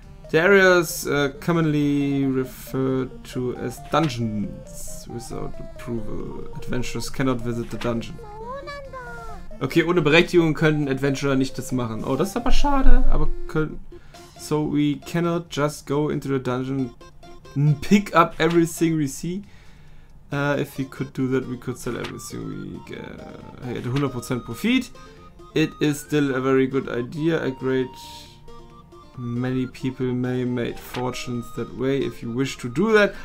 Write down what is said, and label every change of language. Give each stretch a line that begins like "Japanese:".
English: The areas commonly referred to as dungeons without approval. Adventurers cannot visit the dungeon.
German: Okay, ohne Berechtigung können Adventurer nicht das machen. Oh, das ist aber schade. Aber können.
English: So we cannot just go into the dungeon and pick up everything we see. If we could do that, we could sell everything we get. Hey, 100% profit. It is still a very good idea. A great many people may make fortunes that way if you wish to do that.